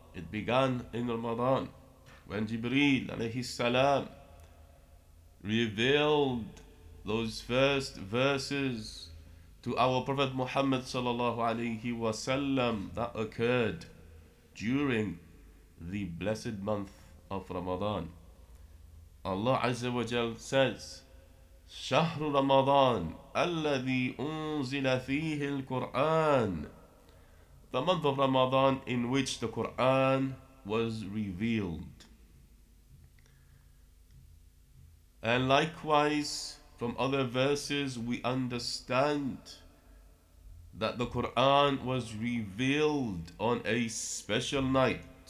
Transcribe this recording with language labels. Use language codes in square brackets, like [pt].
[en] It began in Ramadan when Jibreel alayhi salam revealed those first verses to our Prophet Muhammad sallallahu alayhi wa sallam, that occurred during the blessed month of Ramadan. [ar] Allah Azza wa Jal says, شهر رمضان الذي أنزل فيه القرآن. [en] The month of Ramadan in which the Quran was revealed. And likewise, from other verses, we understand that the Quran was revealed on a special night.